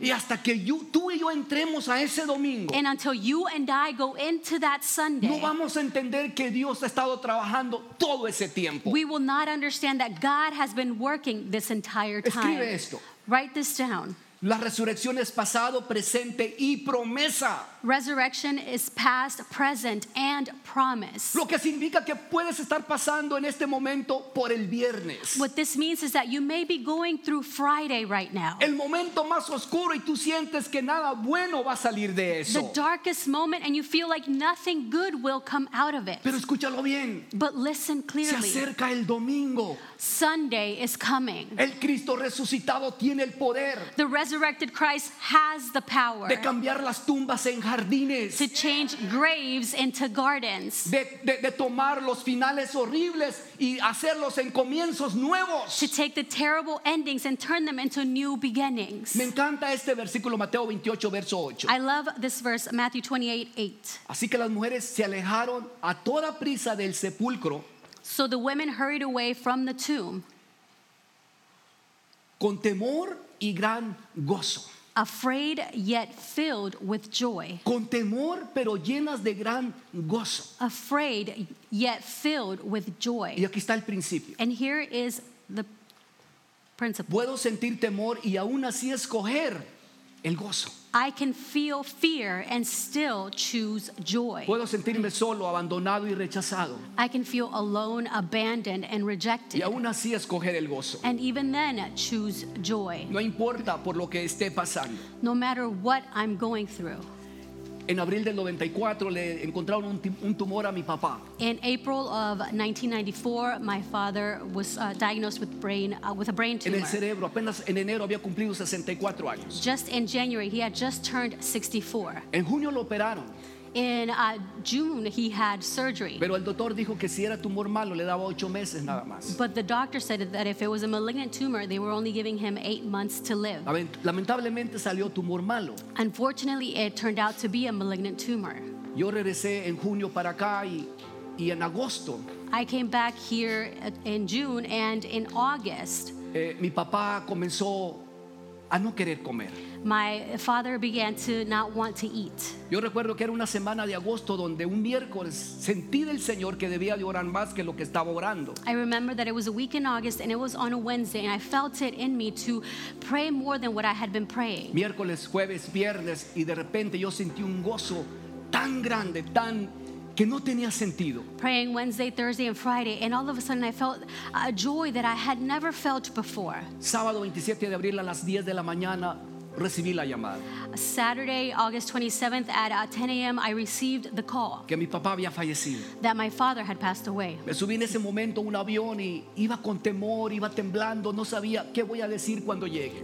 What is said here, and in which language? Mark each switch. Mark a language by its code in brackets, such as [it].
[es] Y hasta que tú y yo entremos a ese domingo. [en] And until you and I go into that Sunday. [es] No vamos a entender que Dios ha estado trabajando todo ese tiempo. [en] We will not understand that God has been working this entire time. [es] Escribe esto. [en] Write this down. [es] La resurrección es pasado, presente y promesa. [en] Resurrection is past, present, and promise. [es] Lo que significa que puedes estar pasando en este momento por el viernes. [en] What this means is that you may be going through Friday right now. [es] El momento más oscuro y tú sientes que nada bueno va a salir de eso. [en] The darkest moment and you feel like nothing good will come out of it. [es] Pero escúchalo bien. [en] But listen clearly. [es] Se acerca el domingo. [en] Sunday is coming. [es] El Cristo resucitado tiene el poder. [en] The resurrected Christ has the power. [es] De cambiar las tumbas en jardines. [en] To change graves into gardens. [es] De tomar los finales horribles y hacerlos en comienzos nuevos. [en] To take the terrible endings and turn them into new beginnings. [es] Me encanta este versículo, Mateo 28, verso 8. [en] I love this verse, Matthew 28, 8. [es] Así que las mujeres se alejaron a toda prisa del sepulcro. [en] So the women hurried away from the tomb. [es] Con temor y gran gozo. [en] Afraid yet filled with joy. [es] Con temor pero llenas de gran gozo. [en] Afraid yet filled with joy. [es] Y aquí está el principio. [en] And here is the principle. [es] Puedo sentir temor y aún así escoger el gozo. [en] I can feel fear and still choose joy. [es] Puedo sentirme solo, abandonado y rechazado. [en] I can feel alone, abandoned and rejected. [es] Y aún así escoger el gozo. [en] And even then choose joy. [es] No importa por lo que esté pasando. [en] No matter what I'm going through. [es] En abril del 94 le encontraron un tumor a mi papá. [en] In April of 1994, my father was diagnosed with a brain tumor. [es] En el cerebro, apenas en enero había cumplido 64 años. [en] Just in January, he had just turned 64. [es] En junio lo operaron. [en] In June, he had surgery. [es] Pero el doctor dijo que si era tumor malo, le daba 8 meses nada más. [en] But the doctor said that if it was a malignant tumor, they were only giving him 8 months to live. [es] Lamentablemente salió tumor malo. [en] Unfortunately, it turned out to be a malignant tumor. [es] Yo regresé en junio para acá y en agosto. [en] I came back here in June and in August. [es] Mi papá comenzó a no querer comer. [en] My father began to not want to eat. [es] Yo recuerdo que era una semana de agosto donde un miércoles sentí del Señor que debía de orar más que lo que estaba orando. [en] I remember that it was a week in August and it was on a Wednesday and I felt it in me to pray more than what I had been praying. [es] Miércoles, jueves, viernes y de repente yo sentí un gozo tan grande, tan que no tenía sentido. [en] Praying Wednesday, Thursday and Friday and all of a sudden I felt a joy that I had never felt before. [es] Sábado 27 de abril a las 10 de la mañana recibí la llamada. [en] Saturday, August 27th at 10 a.m. I received the call. [es] Que mi papá había fallecido. [en] That my father had passed away. [es] Me subí en ese momento a un avión y iba con temor, iba temblando, no sabía qué voy a decir cuando llegue.